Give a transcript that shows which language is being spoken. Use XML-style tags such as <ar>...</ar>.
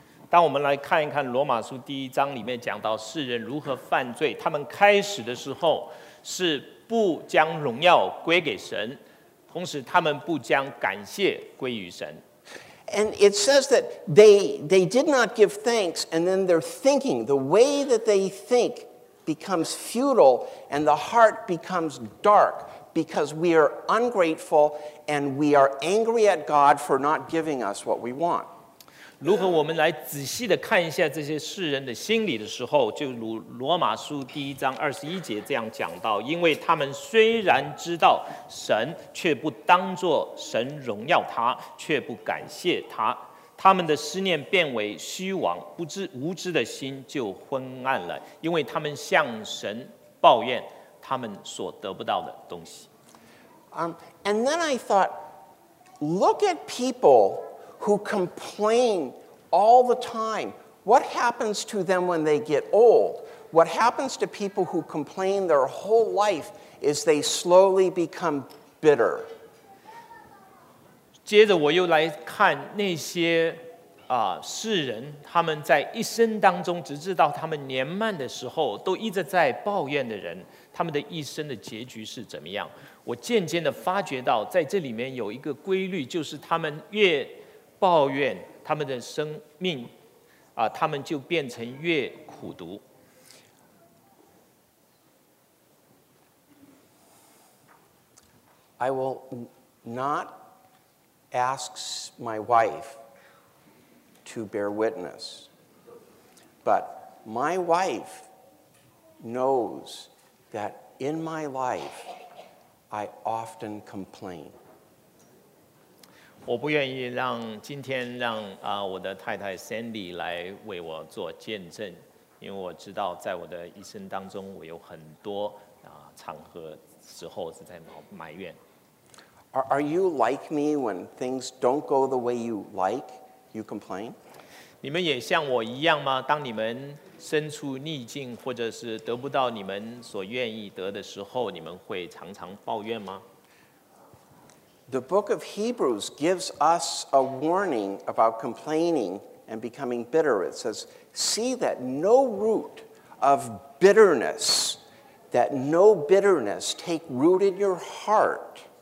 <zh>当我们来看一看罗马书第一章里面讲到世人如何犯罪，他们开始的时候是不将荣耀归给神，同时他们不将感谢归于神。</zh> <en>And it says that they did not give thanks, and then their thinking, the way that they think becomes futile, and the heart becomes dark. because we are ungrateful and we are angry at God for not giving us what we want.</en> <zh>如何我们来仔细的看一下这些世人的心理的时候，就如罗马书第一章二十一节这样讲到，因为他们虽然知道神，却不当作神荣耀他，却不感谢他，他们的思念变为虚妄，无知的心就昏暗了，因为他们向神抱怨他们所得不到的东西。</zh> <en>And then I thought, look at people who complain all the time. What happens to them when they get old? What happens to people who complain their whole life is they slowly become bitter.</en> <zh>接着我又来看那些世人，他们在一生当中，直至到他们年迈的时候，都一直在抱怨的人，他们的一生的结局是怎么样？我渐渐的发觉到，在这里面有一个规律，就是他们越抱怨，他们的生命他们就变成越苦毒。</zh> <en>I will not. Asks my wife to bear witness. But my wife knows that in my life I often complain.</en> <zh>我不愿意让今天让我的太太 Sandy 来为我做见证，因为我知道在我的一生当中，我有很多场合时候是在埋怨。</zh> <en>Are you like me when things don't go the way you like, you complain?</en> <zh>你们也像我一样吗？当你们身处逆境，或者是得不到你们所愿意得的时候，你们会常常抱怨吗？</zh> <en>The book of Hebrews gives us a warning about complaining and becoming bitter. It says, see that no root of bitterness, that no bitterness take root in your heart.</en>